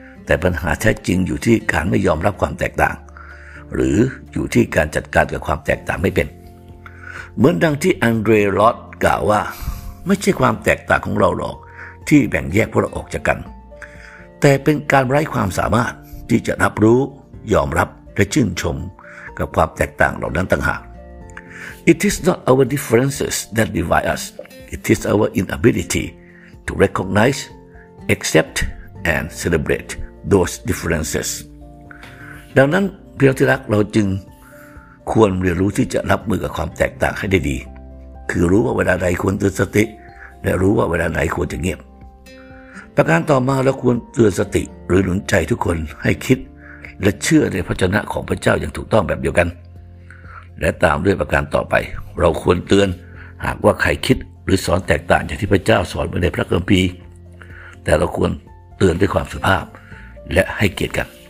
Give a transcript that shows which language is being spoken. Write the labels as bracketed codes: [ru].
[th] แต่ปัญหาแท้จริงอยู่ที่การไม่ยอมรับความแตกต่างหรืออยู่ที่การจัดการกับความแตกต่างไม่เป็นเหมือนดังที่อันเดรลอตกล่าวว่าไม่ใช่ความแตกต่างของเราหรอกที่แบ่งแยกพวกเราออกจากกันแต่เป็นการไร้ความสามารถที่จะรับรู้ยอมรับและชื่นชมกับความแตกต่างเหล่านั้นต่างหาก [en] It is not our differences that divide us. It is our inability to recognize, accept, and celebrate those differences. [th] ดังนั้นพี่น้องที่รักเราจึงควรเรียนรู้ที่จะรับมือกับความแตกต่างให้ได้ดีคือรู้ว่าเวลาใดควรตื่นสติและรู้ว่าเวลาไหนควรจะเงียบประการต่อมาเราควรเตือนสติหรือหนุนใจทุกคนให้คิดและเชื่อในพระชนะของพระเจ้าอย่างถูกต้องแบบเดียวกันและตามด้วยประการต่อไปเราควรเตือนหากว่าใครคิดหรือสอนแตกต่างจากที่พระเจ้าสอนไว้ในพระคัมภีร์แต่เราควรเตือนด้วยความสุภาพและให้เกียรติกัน